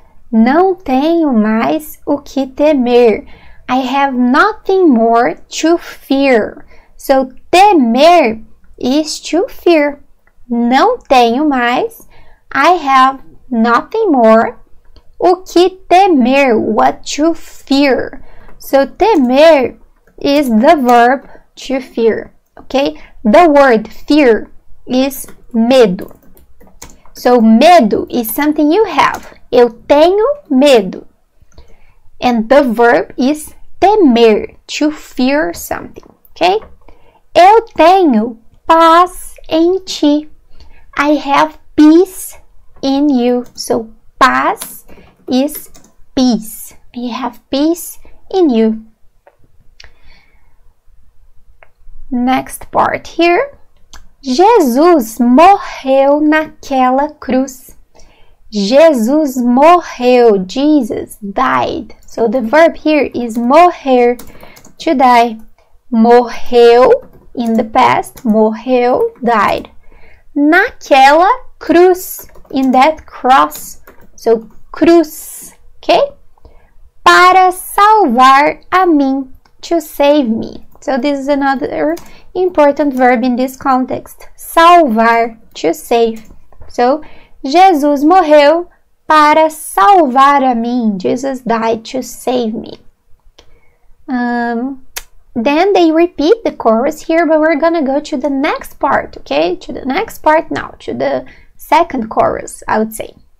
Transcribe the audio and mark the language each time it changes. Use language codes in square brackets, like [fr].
[pt] Não tenho mais o que temer. [en] I have nothing more to fear. So, temer is to fear. [pt] Não tenho mais. [en] I have nothing more. [pt] O que temer? [en] What to fear? So, temer is the verb to fear. Okay? The word fear is medo. So, medo is something you have. [pt] Eu tenho medo. [en] And the verb is temer, to fear something. Okay? [pt] Eu tenho paz em ti. [en] I have peace in you. So, paz is peace. I have peace in you. Next part here. [pt] Jesus morreu naquela cruz. Jesus morreu. [en] Jesus died. So, the verb here is morrer, to die. Morreu. In the past, morreu, died. [pt] Naquela cruz, [en] in that cross. So, cruz, okay? [pt] para salvar a mim, [en] to save me. So this is another important verb in this context. Salvar, to save. So, [pt] Jesus morreu para salvar a mim. [en] Jesus died to save me. Then they repeat the chorus here, but we're gonna go to the next part, okay? To the next part now, to the second chorus, I would say.